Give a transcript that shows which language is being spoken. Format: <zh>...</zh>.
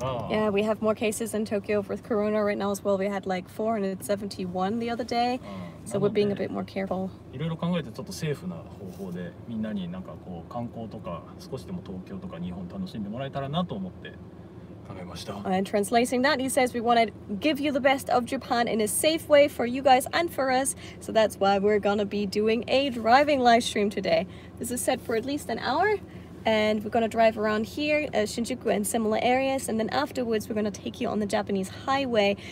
<en>Yeah, we have more cases in Tokyo with Corona right now as well. We had like 471 the other day, so we're being a bit more careful.</en> <ja>いろいろ考えてちょっとセーフな方法でみんなになんかこう観光とか少しでも東京とか日本楽しんでもらえたらなと思って。</ja> <en>And translating that, he says we want to give you the best of Japan in a safe way for you guys and for us. So that's why we're gonna be doing a driving live stream today. This is set for at least an hour, and we're gonna drive around here, Shinjuku and similar areas, and then afterwards we're gonna take you on the Japanese highway.</en>